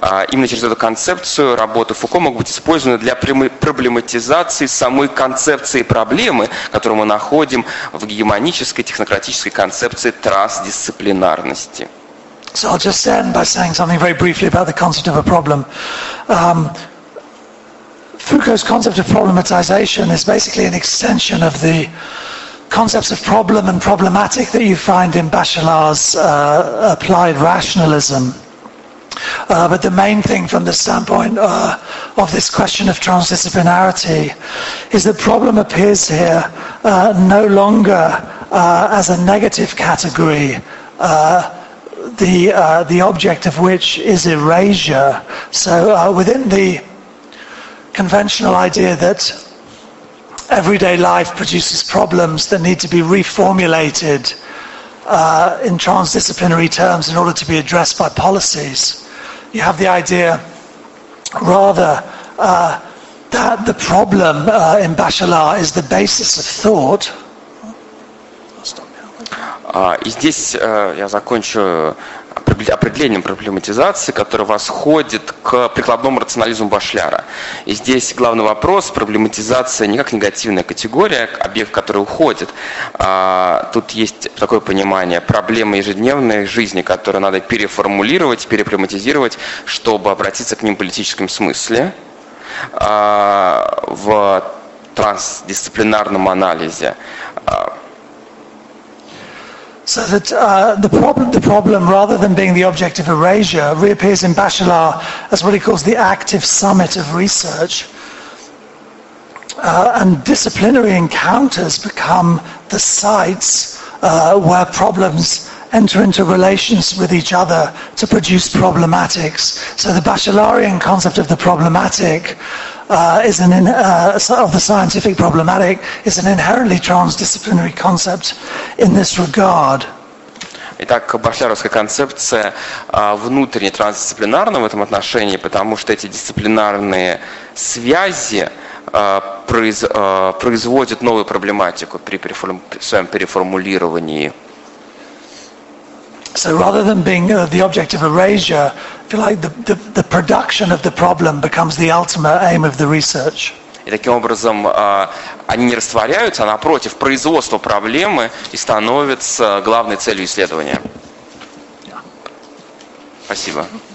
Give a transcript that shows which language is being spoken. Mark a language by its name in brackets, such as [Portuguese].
[Russian] Именно через эту концепцию работы Фуко могут быть использованы для проблематизации самой концепции проблемы, которую мы находим в гегемонической технократической концепции трансдисциплинарности. [English] So I'll just end by saying something very briefly about the concept of a problem. Foucault's concept of problematization is basically an extension of the concepts of problem and problematic that you find in Bachelard's applied rationalism. But the main thing from the standpoint of this question of transdisciplinarity is that problem appears here no longer as a negative category, the object of which is erasure. So within the conventional idea that everyday life produces problems that need to be reformulated in transdisciplinary terms in order to be addressed by policies, you have the idea rather that the problem in Bachelard is the basis of thought. [Russian] И здесь я закончу определением проблематизации, которое восходит к прикладному рационализму Башляра. И здесь главный вопрос – проблематизация не как негативная категория, объект, который уходит. Тут есть такое понимание – проблемы ежедневной жизни, которые надо переформулировать, перепроблематизировать, чтобы обратиться к ним в политическом смысле. В трансдисциплинарном анализе – [English] So that the problem, rather than being the object of erasure, reappears in Bachelard as what he calls the active summit of research. And disciplinary encounters become the sites where problems enter into relations with each other to produce problematics. So the Bachelardian concept of the problematic of the scientific problematic is an inherently transdisciplinary concept in this regard. [Russian] Итак, башляровская концепция внутренне трансдисциплинарна в этом отношении, потому что эти дисциплинарные связи производят новую проблематику при своем переформулировании. [English] So rather than being the object of erasure, I feel like the production of the problem becomes the ultimate aim of the research. [Russian] И таким образом они не растворяются, а напротив, производство проблемы и становится главной целью исследования. Yeah. Спасибо.